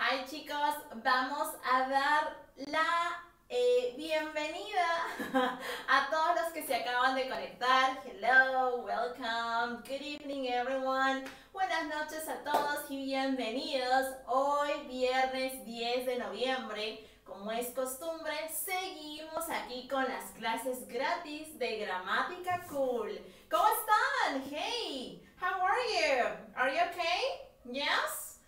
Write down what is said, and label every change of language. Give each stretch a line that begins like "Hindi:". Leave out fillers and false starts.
Spanish: chicos, vamos a dar la bienvenida a todos los que se acaban de conectar.
English: Hello, welcome, good evening everyone.
Spanish: Buenas noches a todos y bienvenidos. Hoy viernes 10 de noviembre, como es costumbre, seguimos aquí con las clases gratis de Gramática Cool. ¿Cómo están?
English: Hey, how are you? Are you okay? Yes?